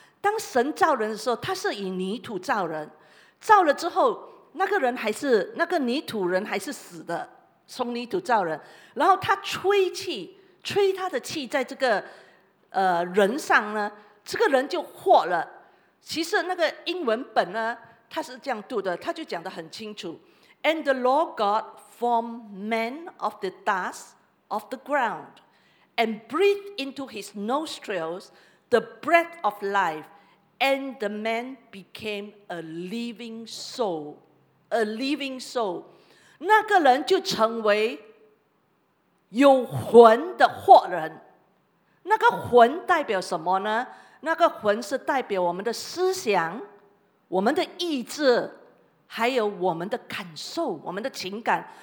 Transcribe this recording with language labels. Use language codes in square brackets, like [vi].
[zh] 当神造人的时候，他是以泥土造人，造了之后，那个人还是那个泥土人还是死的。从泥土造人，然后他吹气，吹他的气在这个人上呢，这个人就活了。其实那个英文本呢，他是这样读的，他就讲得很清楚 [en] And the Lord God formed man of the dust of the ground and breathed into his nostrils the breath of life, and the man became a living soul. A living soul. [zh] 那个人就成为有魂的活人。那个魂代表什么呢？那个魂是代表我们的思想，我们的意志，还有我们的感受，我们的情感。